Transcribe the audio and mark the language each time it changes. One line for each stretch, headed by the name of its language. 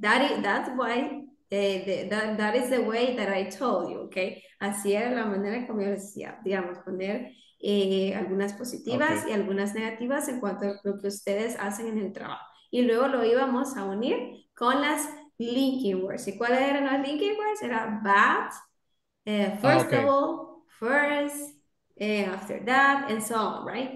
English: That is the way that I told you, okay?
Spanish: Así era la manera como yo decía, digamos, poner algunas positivas, okay, y algunas negativas en cuanto a lo que ustedes hacen en el trabajo. Y luego lo íbamos a unir con las linking words. ¿Y cuáles eran las linking words?
English: Era but, first of all, first, after that, and so on, right?